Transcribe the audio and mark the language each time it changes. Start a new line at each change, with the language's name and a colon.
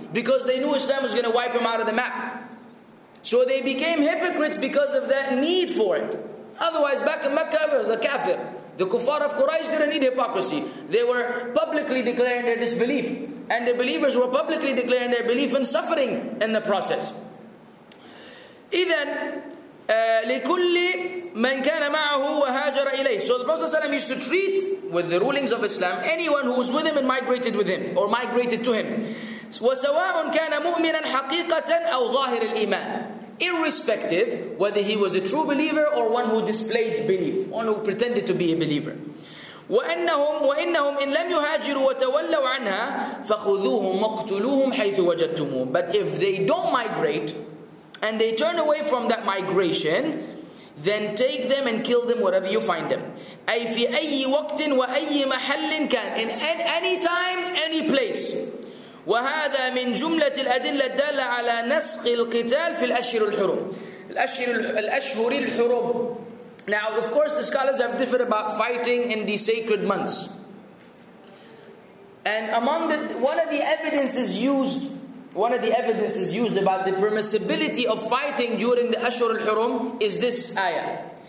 English: Because they knew Islam was going to wipe them out of the map. So they became hypocrites because of that need for it. Otherwise, back in Mecca, it was a kafir. The kuffar of Quraysh didn't need hypocrisy. They were publicly declaring their disbelief. And the believers were publicly declaring their belief and suffering in the process.
Arabic: إذن لكل من كان معه وهاجر إليه.
English: So the Prophet ﷺ used to treat, with the rulings of Islam, anyone who was with him and migrated with him, or migrated to him.
Arabic: وسواء كان مؤمنا حقيقة أو ظاهر الإيمان.
English: irrespective whether he was a true believer or one who displayed belief, one who pretended to be a believer.
Arabic: وَإِنَّهُمْ إِنْ لَمْ يُهَاجِرُوا وَتَوَلَّوْا عَنْهَا فَخُذُوهُمْ وَاقْتُلُوهُمْ حَيْثُ وَجَدْتُمُوهُمْ.
English: But if they don't migrate and they turn away from that migration, then take them and kill them wherever you find them.
Arabic: أي في أي وقت وأي محل كان.
English: In any time, any place.
Arabic: وهذا من جملة الأدلة الدالة على نسق القتال في الأشهر الحرم. الأشهر الحرم.
English: Now, of course, the scholars have differed about fighting in the sacred months. And among the, one of the evidences used about the permissibility of fighting during the Ashur al-Hurum is this ayah.